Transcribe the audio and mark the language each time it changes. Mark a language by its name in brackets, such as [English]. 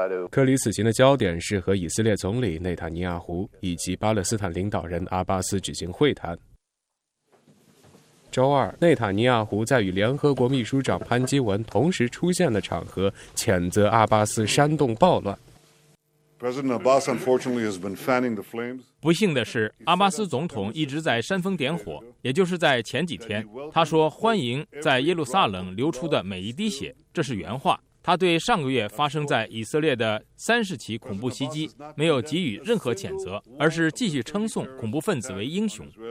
[Chinese] 克里此行的焦点是和以色列总理内塔尼亚胡以及巴勒斯坦领导人阿巴斯举行会谈。周二，内塔尼亚胡在与联合国秘书长潘基文同时出现的场合谴责阿巴斯煽动暴乱。 [English] President Abbas unfortunately has been fanning the flames. [Chinese] 不幸的是，阿巴斯总统一直在煽风点火，也就是在前几天，他说欢迎在耶路撒冷流出的每一滴血，这是原话。他对上个月发生在以色列的30起恐怖袭击没有给予任何谴责，而是继续称颂恐怖分子为英雄。